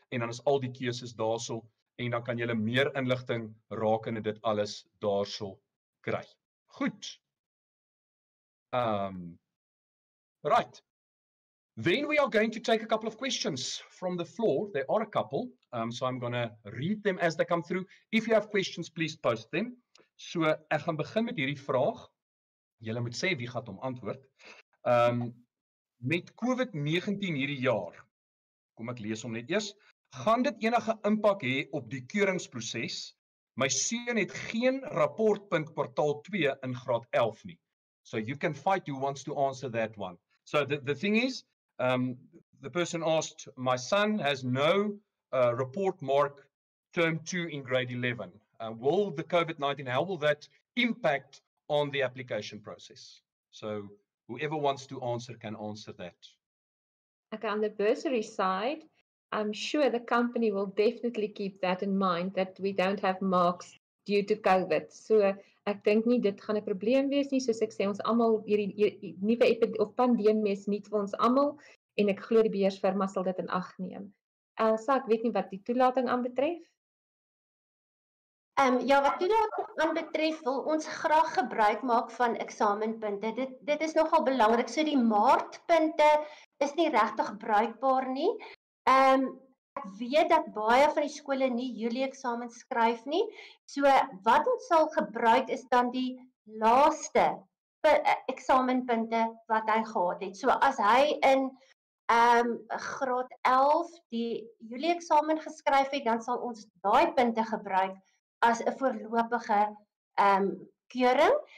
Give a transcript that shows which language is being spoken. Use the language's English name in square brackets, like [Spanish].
[Afrikaans] En dan is al die keuses daarso. En dan kan julle meer inligting rakende dit alles daarso kry. Goed. [English] Right. Then we are going to take a couple of questions from the floor. There are a couple, so I'm going to read them as they come through. If you have questions, please post them. [Afrikaans] So ek gaan begin met hierdie vraag. Julle moet sê wie gaan hom antwoord. Met COVID-19 hierdie jaar, kom ek lees hom net eers, gaan dit enige impak hê op die keuringsproses? My seun het geen rapportpunt kwartaal 2 in graad 11 nie. [English] So you can fight who wants to answer that one. So the thing is, the person asked, my son has no report mark term 2 in grade 11. Will the COVID-19, how will that impact on the application process? So whoever wants to answer can answer that. Okay, on the bursary side, I'm sure the company will definitely keep that in mind, that we don't have marks due to COVID. [Afrikaans] So ek dink nie dit gaan 'n probleem wees nie, soos ek sê, ons almal hierdie nuwe pandemie is nuut vir ons almal en ek glo die beheersfirma sal dit in ag neem. Elsa, ek weet nie wat die toelating aanbetref. Ja, wat toelating aanbetref, wil ons graag gebruik maak van eksamenpunte. Dit is nogal belangrik, so die maartpunte is nie regtig bruikbaar nie. Ek weet dat baie van die skole nie Julie eksamen skryf nie. So wat ons sal gebruik is dan die laaste eksamenpunte wat hy gehad het. So as hy in graad 11 die Julie eksamen geskryf het, dan sal ons daai punte gebruik as 'n voorlopige keuring.